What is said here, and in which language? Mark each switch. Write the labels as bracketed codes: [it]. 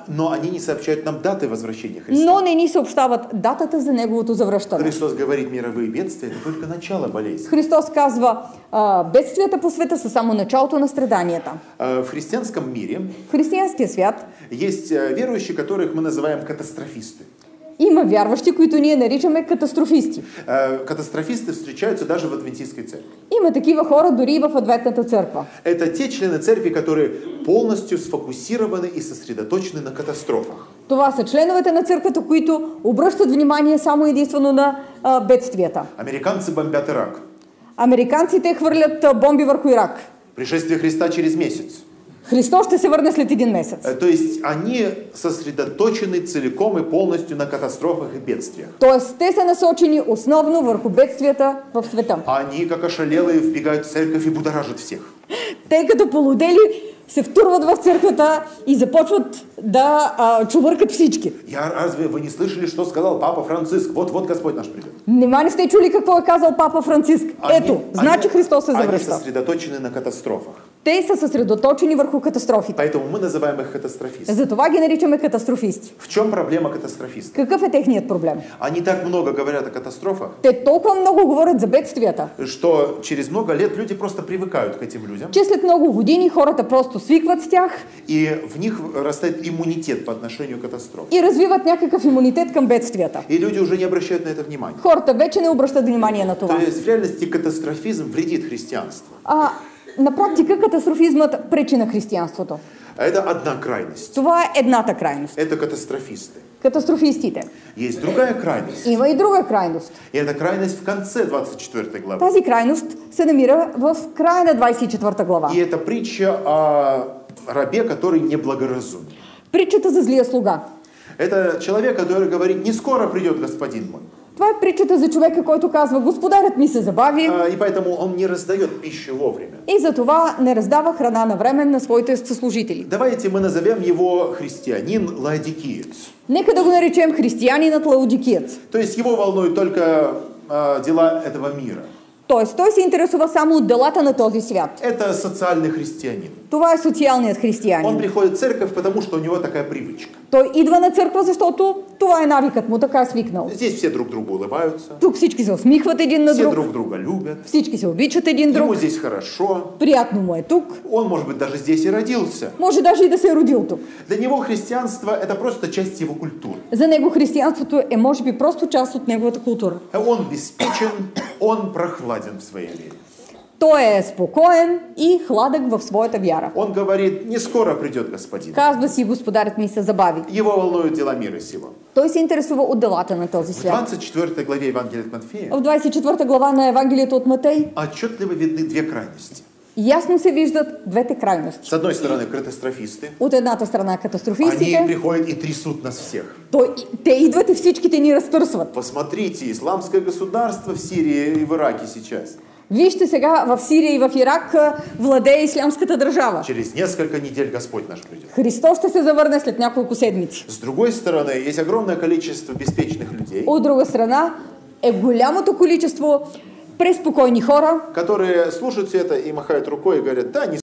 [ru] Но они не сообщают нам даты возвращения Христа. [bg] Но не ни съобщават датата за Неговото завръщане. [ru] Христос говорит, мировые бедствия, это только начало болезни. [bg] Христос казва, бедствията по света са само началото на страданията. [ru] В християнском мире. [bg] Християнския свят. [ru] Есть верующие, которых мы называем катастрофисты. [bg] Има вярващи, които ние наричаме катастрофисти. [ru] Катастрофисты встречаются даже в адвентистской церкви. [bg] Има такива хора дори и в адвентната църква. [ru] Это те члены церкви, которые полностью сфокусированы и сосредоточены на катастрофах. [bg] Това са членовете на църквата, които обръщат внимание само единствено на бедствията. [ru] Американцы бомбят Ирак. [bg] Американците хвърлят бомби върху Ирак. [ru] Пришествие Христа через месяц. [bg] Христос ще се върне след един месец. [ru] То есть они сосредоточены целиком и полностью на катастрофах и бедствиях. [bg] То есть те са насочени основно върху бедствията в света. [ru] Они как ошалелые вбегают в церковь и будоражат всех. [bg] Те като полудели се втурват в църквата и започват да чувъркат всички. [ru] Я разве вы не слышали, что сказал Папа Франциск? Вот-вот Господь наш придет. [bg] Нема не сте чули какво е казал Папа Франциск? Ето, значи Христос се завръща. [ru] Они сосредоточены на катастрофах. [bg] Те са съсредоточени върху катастрофите. [ru] Поэтому мы называем их катастрофисты. [bg] Затова ги наричаме катастрофисти. [ru] В чем проблема катастрофистов? [bg] Какъв е техният проблем? [ru] Они так много говорят о катастрофах. [bg] Те толкова много говорят за бедствията. [ru] Что через много лет люди просто привыкают к этим людям. [bg] Че след много години хората просто свикват с тях. [ru] И в них растет иммунитет по отношению к катастрофам. [bg] И развиват някакъв иммунитет към бедствията. [ru] И люди уже не обращают на это внимание. [bg] Хората вече не обръщат внимание на това. [ru] То есть в реальности катастрофизм вредит християнству. [bg] На практика катастрофизмът пречи на християнството. [ru] Это одна крайность. [bg] Това е едната крайност. [ru] Это катастрофисты. [bg] Катастрофистите. [ru] Есть другая крайность. [bg] Има и друга крайност. [ru] И это крайность в конце 24 главы. [bg] Тази крайност се намира в края на 24 глава. [ru] И это притча о рабе, который неблагоразумен. [bg] Притчата за злия слуга. [ru] Это человек, который говорит, не скоро придет господин мой. [bg] Това е притчата за човека, който казва, господарят ми се забави. [ru] И поэтому он не раздает пищу вовремя. [bg] И затова не раздава храна навреме на своите съслужители. [ru] Давайте мы назовем его христианин лаодикиец. [bg] Нека да го наречем християнинът лаодикиец. [ru] То есть его волнуют только дела этого мира. [bg] Тоест, той се интересува само от делата на този свят. [ru] Это социальный христианин. [bg] Това е социалният християнин. [ru] Он приходит в церковь, потому что у него такая привычка. [bg] Той идва на църква, защото това е навикът му, така е свикнал. [ru] Здесь все друг другу улыбаются. [bg] Тук всички се усмихват един на друг. [ru] Все друг друга любят. [bg] Всички се обичат един друг. [ru] Ему здесь хорошо. [bg] Приятно му е тук. [ru] Он, может быть, даже здесь и родился. [bg] Може даже и да се е родил тук. [ru] Для него христианство – это просто часть его культуры. [bg] За него християнството е, може би, просто част от неговата култура. [ru] Он обеспечен, он прохладен в своей вере. [bg] Той е спокоен и хладък в своята вяра. [ru] Он говорит, не скоро придет господин. [bg] Казва си, господарят ми се забави. [ru] Его волнуют дела мира сего. [bg] Той се интересува от делата на този свят. [ru] В 24 главе Евангелия от Матфея. [bg] В 24 глава на Евангелието от Матей. [ru] Отчетливо видны две крайности. [bg] Ясно се виждат двете крайности. [ru] С одной стороны катастрофисты. [bg] От едната страна катастрофистите. [ru] Они приходят и трясут нас всех. [bg] Те идват и всичките ни разтърсват. [ru] Посмотрите, исламское государство в Сирии и в Ираке сейчас. [bg] Вижте сега в Сирия и в Ирак владее ислямската държава. [ru] Через несколько недель Господь наш придет. [bg] Христос ще се завърне след няколко седмици. [ru] С другой стороны, есть огромное количество обеспеченных людей. [bg] От друга страна е голямото количество преспокойни хора, которые слушают все это и махают рукой и говорят: "Да, не